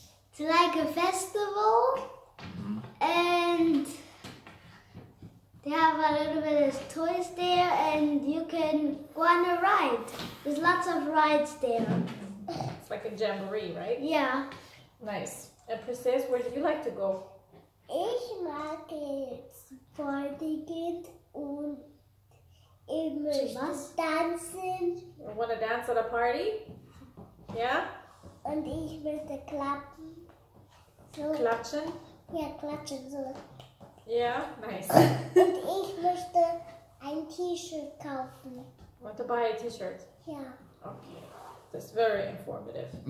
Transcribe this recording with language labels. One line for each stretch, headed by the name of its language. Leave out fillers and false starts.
English: It's like a festival, and they have a little bit of toys there, and you can go on a ride. There's lots of rides there. It's like a jamboree, right? Yeah. Nice. And Princess, where do you like to go?
German: Ich mag es vor die Kind und immer tanzen.
English: You want to dance at a party? Yeah?
German: Und ich möchte klatschen. Klatschen? Ja, klatschen so.
English: Yeah, nice.
German: And ich möchte ein T-Shirt kaufen.
English: Want to buy a T-shirt? Yeah. Okay, that's very informative.